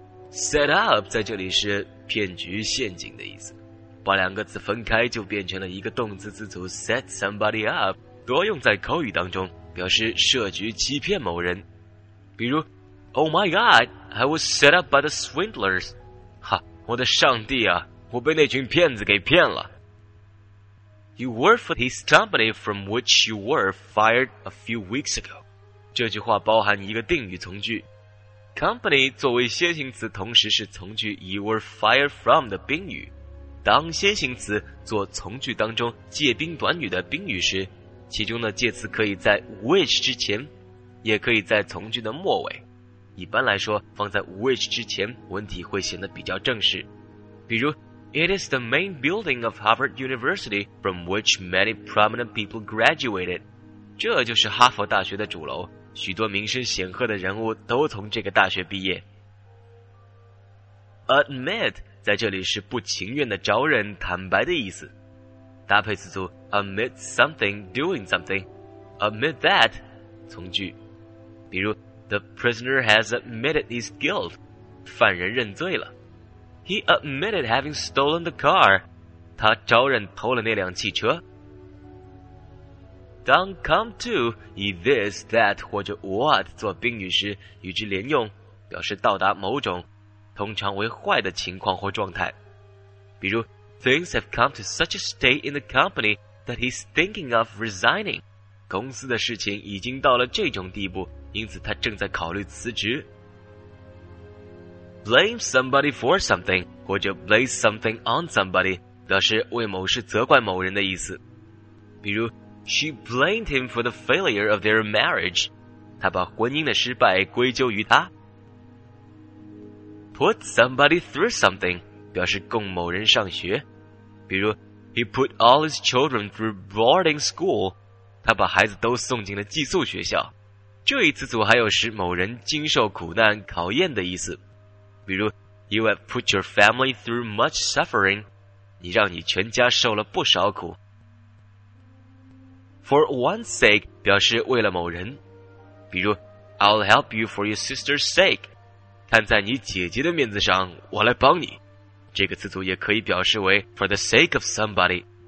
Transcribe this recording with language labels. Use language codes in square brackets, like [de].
[zh] Set up 在这里是骗局陷阱的意思，把两个字分开就变成了一个动词字组 [en] set somebody up， [zh] 多用在口语当中，表示设局欺骗某人。 [en] 比如 Oh my god, I was set up by the swindlers. [zh] 哈，我的上帝啊，我被那群骗子给骗了。 [en] You worked for his company from which you were fired a few weeks ago. [zh] 这句话包含一个定语从句， company 作为先行词，同时是从句 [en] you were fired from [zh] 的宾语。当先行词做从句当中介宾短语的宾语时，其中的介词可以在 which 之前，也可以在从句的末尾。一般来说，放在 which 之前，问题会显得比较正式。 [en] 比如 It is the main building of Harvard University from which many prominent people graduated. [zh] 这就是哈佛大学的主楼，许多名声显赫的人物都从这个大学毕业。 Admit 在这里是不情愿的招认、坦白的意思，搭配词组 [en] admit something doing something， [zh] admit that 从句。 [en] 比如 The prisoner has admitted his guilt， [zh] 犯人认罪了。 [en] He admitted having stolen the car， [zh] 他招认偷了那辆汽车。当 come to 以 this, that 或者 what 做宾语时，与之连用，表示到达某种，通常为坏的情况或状态。 [en] 比如 Things have come to such a state in the company that he's thinking of resigning. [zh] 公司的事情已经到了这种地步，因此他正在考虑辞职。 [en] Blame somebody for something 或者 blame something on somebody [zh] 表示为某事责怪某人的意思。 [en] 比如She blamed him for the failure of their marriage. [zh] 她把婚姻的失败归咎于他。 [en] Put somebody through something [zh] 表示供某人上学。 [en] 比如 He put all his children through boarding school. [zh] 他把孩子都送进了寄宿学校。这一词组还有使某人经受苦难考验的意思。 [en] 比如 You have put your family through much suffering. [zh] 你让你全家受了不少苦。 [en] For one's sake [zh] 表示为了某人，比如 [en] I'll help you for your sister's sake， [zh] 看在你姐姐的面子上，我来帮你。这个词组也可以表示为 [en] for the sake of somebody。